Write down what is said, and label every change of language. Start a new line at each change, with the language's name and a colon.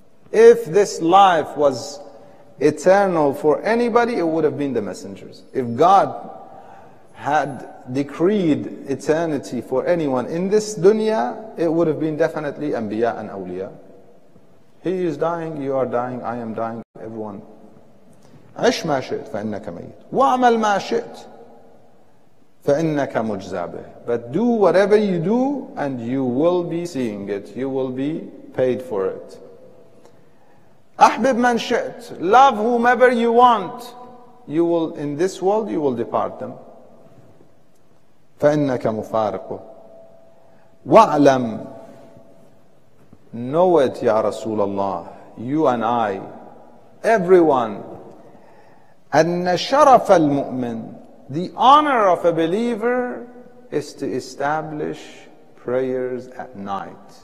English: If this life was eternal for anybody, it would have been the messengers. If God had decreed eternity for anyone in this dunya, it would have been definitely Anbiya and Awliya. He is dying, you are dying, I am dying, everyone.
Arabic: عش ما شئت فإنك ميت وعمل ما شئت فإنك مجزابه.
English: But do whatever you do and you will be seeing it, you will be paid for it.
Arabic: أحبب من شئت,
English: love whomever you want, you will, in this world, you will depart them.
Arabic: فَإِنَّكَ مُفَارِقُ وَعْلَمْ
English: Know it, Ya Rasul Allah, you and I, everyone,
Arabic: أَنَّ شَرَفَ الْمُؤْمِنِ
English: The honor of a believer is to establish prayers at night.